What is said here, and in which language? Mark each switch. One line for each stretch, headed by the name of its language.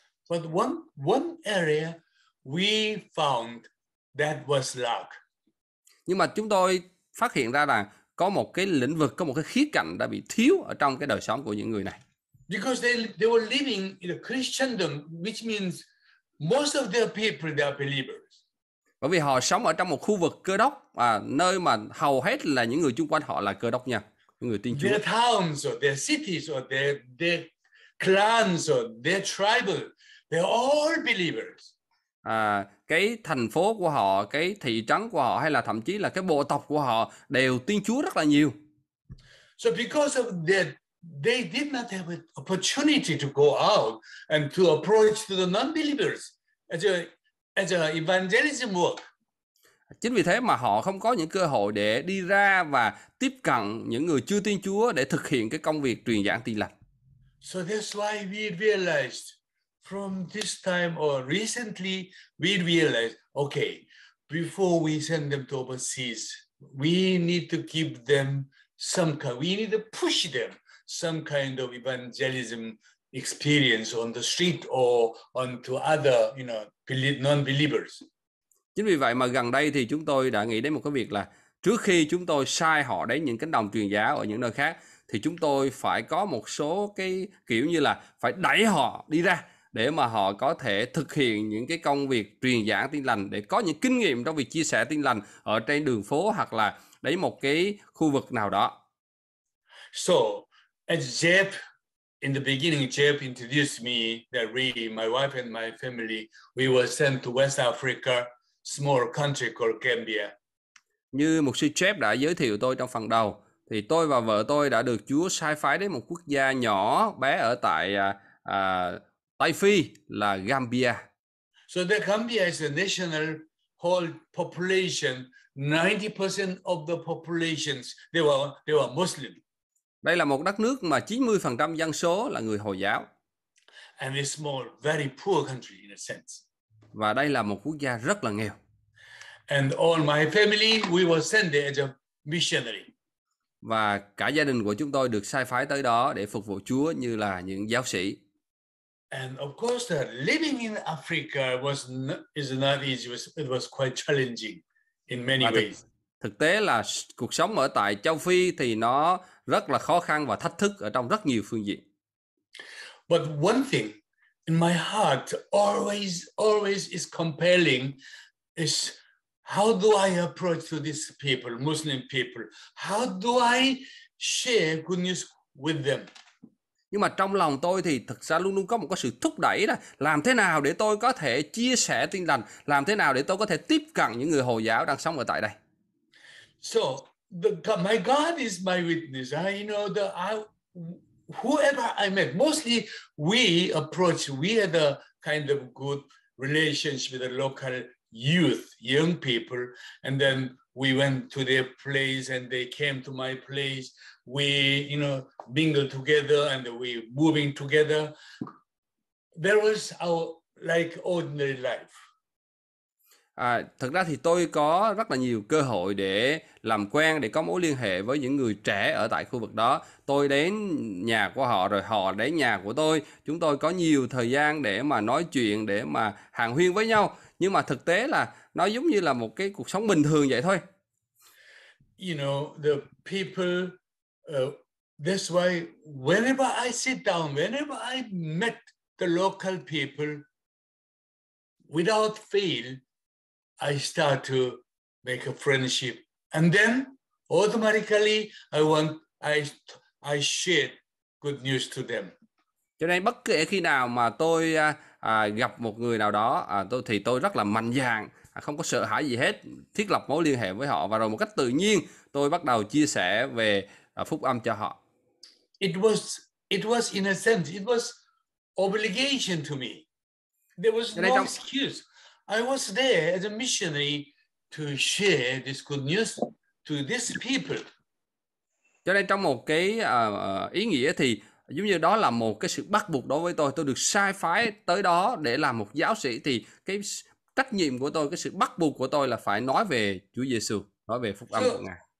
English: But one area we found that was lack.
Vietnamese: Nhưng mà chúng tôi phát hiện ra là có một cái lĩnh vực, có một cái khía cạnh đã bị thiếu ở trong cái đời sống của những người này.
English: Because they were living in a Christendom, which means most of their people, they are believers.
Vietnamese: Bởi vì họ sống ở trong một khu vực cơ đốc, nơi mà hầu hết là những người chung quanh họ là cơ đốc nha, người tin Chúa.
English: Their towns or their cities or their clans or their tribal, they're all believers.
Vietnamese: Cái thành phố của họ, cái thị trấn của họ hay là thậm chí là cái bộ tộc của họ đều tin Chúa rất là nhiều.
English: So because of that, they did not have an opportunity to go out and to approach to the non-believers as a evangelism work.
Vietnamese: Chính vì thế mà họ không có những cơ hội để đi ra và tiếp cận những người chưa tin Chúa để thực hiện cái công việc truyền giảng tin lành.
English: So that's why we realized from this time or recently we realized, okay, before we send them to overseas, we need to give them some kind, we need to push them some kind of evangelism experience on the street or onto other, you know, non-believers.
Vietnamese: Chính vì vậy mà gần đây thì chúng tôi đã nghĩ đến một cái việc là trước khi chúng tôi sai họ đến những cánh đồng truyền giáo ở những nơi khác thì chúng tôi phải có một số cái kiểu như là phải đẩy họ đi ra để mà họ có thể thực hiện những cái công việc truyền giảng tin lành, để có những kinh nghiệm trong việc chia sẻ tin lành ở trên đường phố hoặc là đấy một cái khu vực nào đó.
English: So, as Jeff, in the beginning, Jeff introduced me that we, my wife and my family, we were sent to West Africa, small country called Gambia.
Vietnamese: Như mục sư Jeff đã giới thiệu tôi trong phần đầu, thì tôi và vợ tôi đã được Chúa sai phái đến một quốc gia nhỏ bé ở tại Tây Phi là Gambia.
English: So the Gambia is a national whole population. 90% of the populations they were Muslim.
Vietnamese: Đây là một đất nước mà 90% dân số là người Hồi giáo.
English: And it's small, very poor country in a sense.
Vietnamese: Và đây là một quốc gia rất là nghèo.
English: And all my family, we were sent there as a missionary.
Vietnamese: Và cả gia đình của chúng tôi được sai phái tới đó để phục vụ Chúa như là những giáo sĩ.
English: And of course, the living in Africa is not easy. It was quite challenging in many ways.
Vietnamese: Thực tế là cuộc sống ở tại châu Phi thì nó rất là khó khăn và thách thức ở trong rất nhiều phương diện.
English: But one thing in my heart always is compelling is how do I approach to these people, Muslim people? How do I share good news with them?
Vietnamese: Nhưng mà trong lòng tôi thì thực ra luôn luôn có một cái sự thúc đẩy là làm thế nào để tôi có thể chia sẻ tin lành, làm thế nào để tôi có thể tiếp cận những người Hồi giáo đang sống ở tại đây.
English: So my God is my witness. I know that I whoever I met, mostly we approach, we had a kind of good relationship with the local youth, young people, and then we went to their place and they came to my place. We, you know, mingled together and we moving together. There was our like ordinary life.
Vietnamese: À, thật ra thì tôi có rất là nhiều cơ hội để làm quen, để có mối liên hệ với những người trẻ ở tại khu vực đó. Tôi đến nhà của họ rồi họ đến nhà của tôi. Chúng tôi có nhiều thời gian để mà nói chuyện, để mà hàn huyên với nhau. Nhưng mà thực tế là nó giống như là một cái cuộc sống bình thường vậy thôi.
English: You know, the people, that's why whenever I sit down, whenever I met the local people, without fail, I start to make a friendship. And then automatically I share good news to them.
Vietnamese: Cho nên bất kể khi nào mà tôi gặp một người nào đó, tôi rất là mạnh dạn, không có sợ hãi gì hết, thiết lập mối liên hệ với họ và rồi một cách tự nhiên tôi bắt đầu chia sẻ về phúc âm cho họ.
English: It was in a sense, it was obligation to me. There was no excuse. I was there as a missionary to share this good news to these people.
Vietnamese: Cho nên trong một cái ý nghĩa thì giống như đó là một cái sự bắt buộc đối với tôi. Tôi được sai phái tới đó để làm một giáo sĩ, thì cái trách nhiệm của tôi, cái sự bắt buộc của tôi là phải nói về Chúa Giêsu, nói về phúc âm của Ngài.